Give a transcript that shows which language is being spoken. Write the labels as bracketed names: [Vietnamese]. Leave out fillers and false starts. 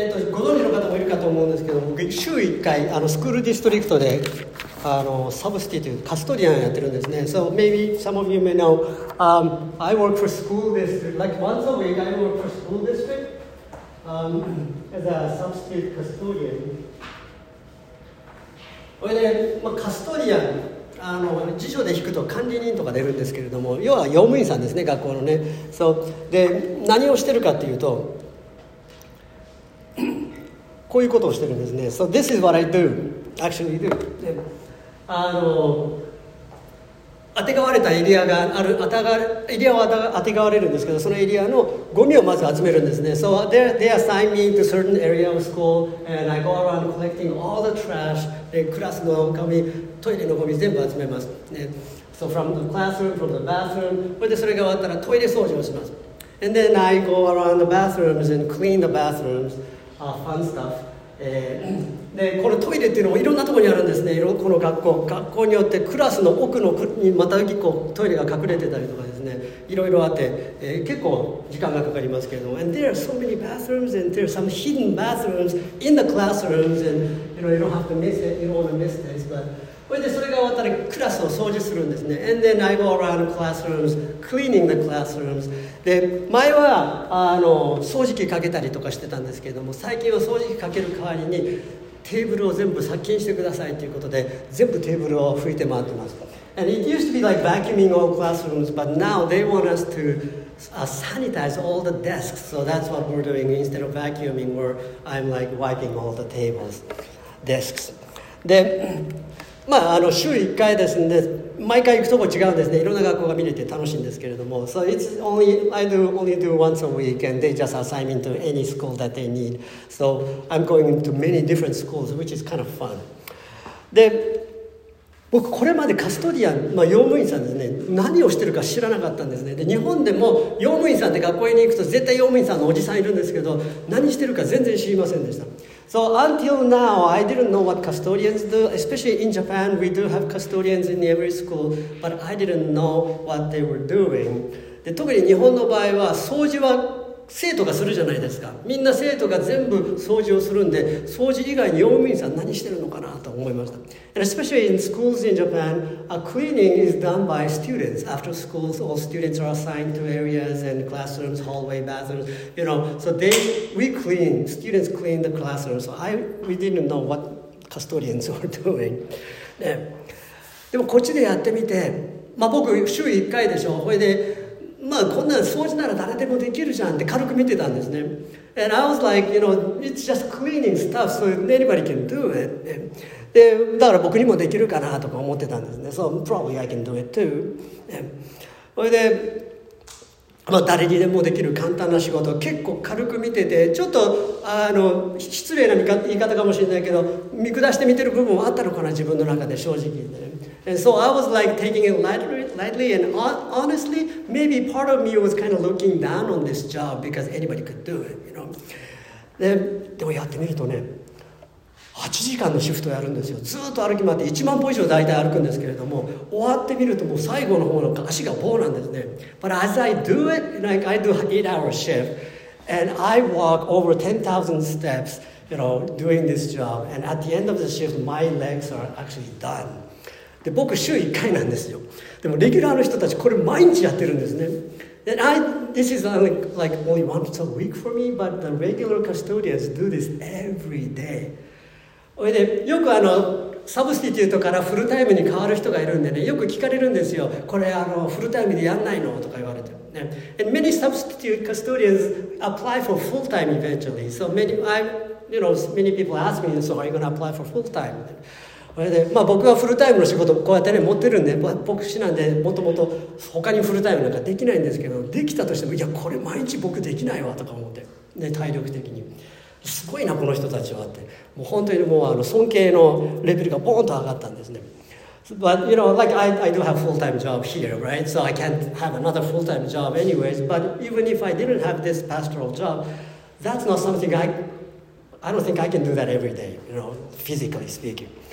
[Japanese] ご存知の方もいるかと思うんですけども、僕週1回あのスクールディストリクトであのサブスティというカストディアンやってるんですね。 [English] So maybe some of you may know、I work for school district like once a week. I work for school district、as a substitute custodian. [Japanese] これで、まあ、カストディアン、あの辞書で引くと管理人とか出るんですけれども、要は用務員さんですね、学校のね。そうで、何をしてるかっていうと、こういうことをしてるんですね。 [English] So this is what I do, actually do. [Japanese] あの当てがわれたエリアがある、エリアを当てがわれるんですけど、そのエリアのゴミをまず集めるんですね。 [English] So they assign me to certain area of school and I go around collecting all the trash. [Japanese] でクラスのゴミ、トイレのゴミ全部集めます、ね、 [English] So from the classroom, from the bathroom. [Japanese] それでそれが終わったらトイレ掃除をします。 [English] And then I go around the bathrooms and clean the bathroomsfun stuff. [Japanese] でこのトイレっていうのもいろんなところにあるんですね。この学校、学校によってクラスの奥のにまた結構トイレが隠れてたりとかですね、いろいろあって、結構時間がかかりますけれども、 [English] And there are so many bathrooms and there are some hidden bathrooms in the classrooms and you know you don't have to miss it, you don't want to miss this, but [Japanese] それでそれが終わったらクラスを掃除するんですね。 [English] And then I go around classrooms cleaning the classrooms. [Japanese] で前はあの掃除機かけたりとかしてたんですけれども、最近は掃除機かける代わりにテーブルを全部殺菌してくださいということで全部テーブルを拭いて回ってます。 [English] And it used to be like vacuuming all classrooms, but now they want us to、sanitize all the desks. So that's what we're doing. Instead of vacuuming, I'm like wiping all the tables, desks. [Japanese] で、まあ、あの週1回ですので毎回行くとこ違うんですね。いろんな学校が見れて楽しいんですけれども、 [English] So it's only, I do only do once a week and they just assign me to any school that they need. So I'm going to many different schools, which is kind of fun. [Japanese] で、僕これまでカストディアン、まあ、用務員さんですね、何をしてるか知らなかったんですね。で、日本でも用務員さんで学校に行くと絶対用務員さんのおじさんいるんですけど、何してるか全然知りませんでした。 [English] So until now, I didn't know what custodians do. Especially in Japan, we do have custodians in every school, but I didn't know what they were doing. [Japanese] で、特に日本の場合は掃除は生徒がするじゃないですか。みんな生徒が全部掃除をするんで、掃除以外に用務員さん何してるのかなと思いました。 [English] And especially in schools in Japan, cleaning is done by students. After schools, all students are assigned to areas and classrooms, hallway, bathrooms, you know. So we clean, students clean the classrooms. So we didn't know what custodians were doing.、 [Japanese] ね、でもこっちでやってみて、まあ僕週1回でしょ。これでまあこんな掃除なら誰でもできるじゃんって軽く見てたんですね。 [English] And I was like, you know, it's just cleaning stuff, so anybody can do it. [Japanese] でだから僕にもできるかなとか思ってたんですね。 [English] So probably I can do it too. [Japanese] それで、まあ、誰にでもできる簡単な仕事を結構軽く見てて、ちょっとあの失礼な言い方かもしれないけど、見下して見てる部分はあったのかな、自分の中で正直言って。 [English] And so I was like taking it lightly and honestly, maybe part of me was kind of looking down on this job because anybody could do it, you know. [Japanese] でもやってみるとね、8時間のシフトをやるんですよ。ずっと歩き回って1万歩以上大体歩くんですけれども、終わってみるともう最後の方の足が棒なんですね。 [English] But as I do it, like I do 8-hour shift and I walk over 10,000 steps, you know, doing this job, and at the end of the shift, my legs are actually done. [Japanese] で僕週1回なんですよ。でもレギュラーの人たちこれ毎日やってるんですね。 [English] This is like only once a week for me, but the regular custodians do this every day. [Japanese] それでよくあのサブスティテュートからフルタイムに変わる人がいるんでね、よく聞かれるんですよ。これあのフルタイムでやんないのとか言われて。 [English] ね、And many substitute custodians apply for full time eventually. So many, you know, many people ask me, so are you going to apply for full time? [Japanese] それでまあ、僕はフルタイムの仕事をこうやって、ね、持ってるんで、牧師なんでもともと他にフルタイムなんかできないんですけど、できたとしてもいやこれ毎日僕できないわとか思って、ね、体力的にすごいなこの人たちはって、もう本当にもうあの尊敬のレベルがボーンと上がったんですね。 [English] But you know, like I do have full time job here, right? So I can't have another full time job anyways. But even if I didn't have this pastoral job, that's not something I don't think I can do that every day, you know, physically speaking.